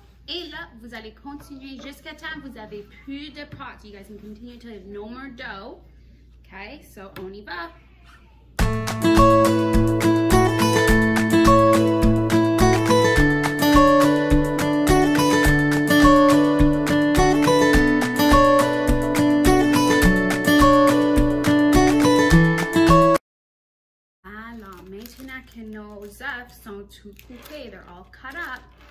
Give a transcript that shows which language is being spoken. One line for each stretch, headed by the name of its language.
French: Et là, vous allez continuer jusqu'à temps que vous avez plus de pâte.
English: You guys can continue to have no more dough.
French: Okay, so on y va. Alors, maintenant que nos œufs sont tout coupés,
English: they're all cut up.